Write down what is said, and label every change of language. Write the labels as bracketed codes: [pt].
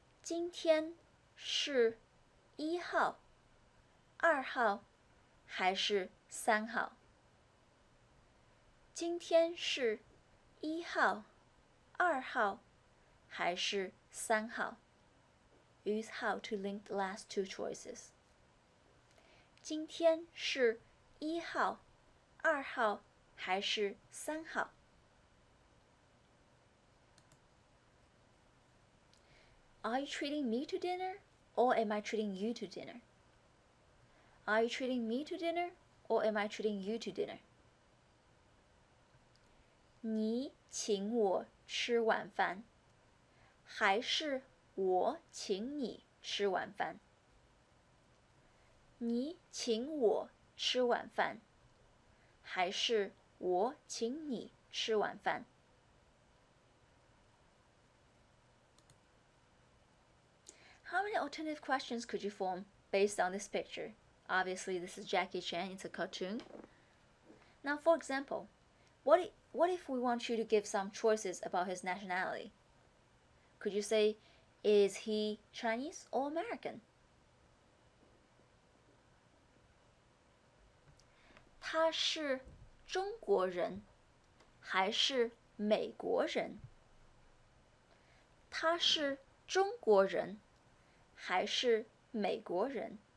[zh] 今天是一号、二号还是三号？今天是一号、二号还是三号？ [en] Use how to link the last two choices. [zh] 今天是一号、二号还是三号？ [en] Are you treating me to dinner, or am I treating you to dinner? Are you treating me to dinner, or am I treating you to dinner? [zh] 你请我吃晚饭，还是我请你吃晚饭？你请我吃晚饭，还是我请你吃晚饭？ [en] How many alternative questions could you form based on this picture? Obviously, this is Jackie Chan, it's a cartoon. Now, for example, what if we want you to give some choices about his nationality? Could you say, is he Chinese or American? [zh] 他是中国人还是美国人？他是中国人还是美国人?